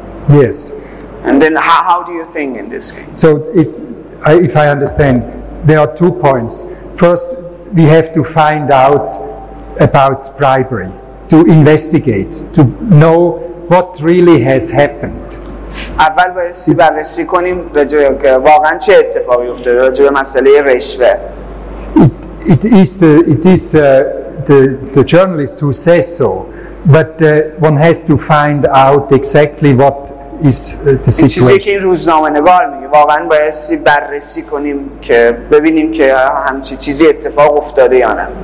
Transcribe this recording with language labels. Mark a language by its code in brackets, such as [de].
[en] Yes. And then how do you think in this case? So if I understand, there are two points. First, we have to find out about bribery, to investigate, to know what really has happened. [fa] اول بایستی بررسی کنیم رجوعی که واقعا چه اتفاقی افتاده رجوع مسئله رشوه. [en] It is the journalist who says so, but one has to find out exactly what is the situation. [fa] چیزی که این روزنامه نگار میگه واقعا بایستی بررسی کنیم که ببینیم که همچی چیزی اتفاق افتاده یا نه.